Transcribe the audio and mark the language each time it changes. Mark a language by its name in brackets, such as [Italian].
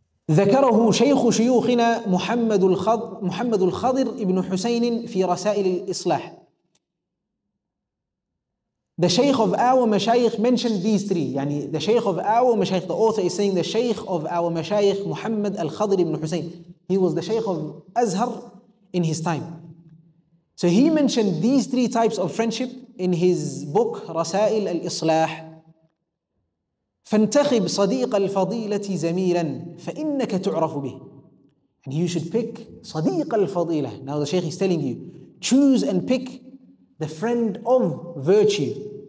[Arabic] ذكره شيخ شيوخنا محمد الخضر ابن حسين في رسائل الإصلاح. [English] The Shaykh of our Mashaykh mentioned these three. يعني the Shaykh of our Mashaykh, the author is saying the Shaykh of our Mashaykh, Muhammad al-Khadr ibn Hussein. He was the Shaykh of Azhar in his time. So he mentioned these three types of friendship in his book, Rasail al-Islah. [Arabic] فانتخب صديق الفضيلة زميلا فإنك تعرف به. [English] And you should pick صديق الفضيلة. Now the Shaykh is telling you, choose and pick the friend of virtue.